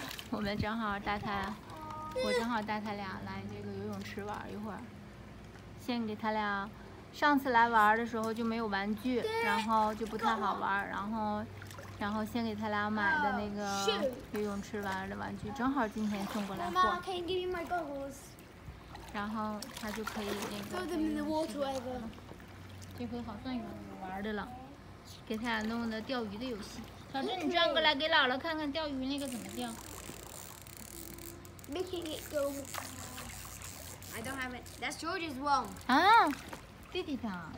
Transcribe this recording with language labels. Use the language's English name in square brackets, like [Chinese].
[Chinese] 我们正好带他，我正好带他俩来这个游泳池玩一会儿。先给他俩，上次来玩的时候就没有玩具，然后就不太好玩，然后先给他俩买的那个游泳池玩的玩具，正好今天送过来货。 [English] Can you give me my goggles? [Chinese] 然后他就可以那个。 [English] Put them in the water, Ivan. [Chinese] 这回好像有玩的了，给他俩弄的钓鱼的游戏。小智，你转过来给姥姥看看钓鱼那个怎么钓。 [English] Making it go. I don't have it. That's George's one. [Chinese] 啊，弟弟的。